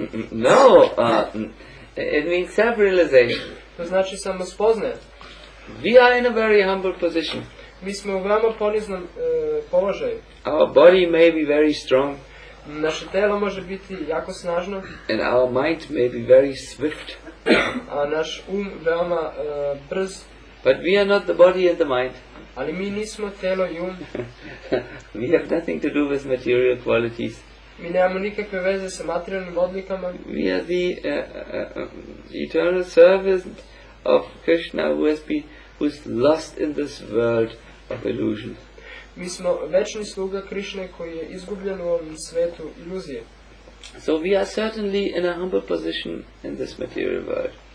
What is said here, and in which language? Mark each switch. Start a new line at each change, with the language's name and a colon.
English: No, it means self-realization.
Serbian: To znači samospoznaje.
English: We are in a very humble position.
Serbian: Mi smo u veoma poniznom položaju.
English: Our body may be very strong.
Serbian: Naše telo može biti jako snažno.
English: And our mind may be very swift.
Serbian: A naš um veoma brz.
English: But we are not the body and the mind.
Serbian: Ali mi nismo telo i um.
English: We have nothing to do with material qualities.
Serbian: Mi nemamo nikakve veze sa materijalnim odlikama.
English: We are the eternal servant of Krishna who's lost in this world of illusion.
Serbian: Mi smo večni sluga Krishne koji je izgubljen u ovom svetu iluzije.
English: So we are certainly in a humble position in this material world.